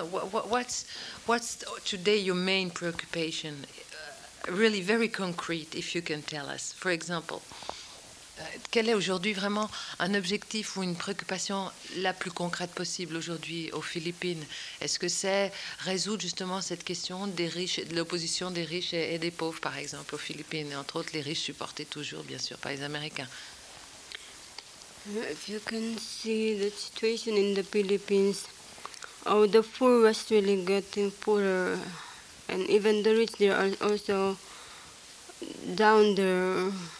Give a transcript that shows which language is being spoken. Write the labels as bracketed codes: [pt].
[en] What's today your main preoccupation? Really very concrete, if you can tell us. For example, [fr] quel est aujourd'hui vraiment un objectif ou une préoccupation la plus concrète possible aujourd'hui aux Philippines? Est-ce que c'est résoudre justement cette question des riches, de l'opposition des riches et des pauvres, par exemple, aux Philippines, et entre autres les riches supportés toujours, bien sûr, par les Américains? [en] If you can see the situation in the Philippines, oh, the poor was really getting poorer, and even the rich, they are also down there.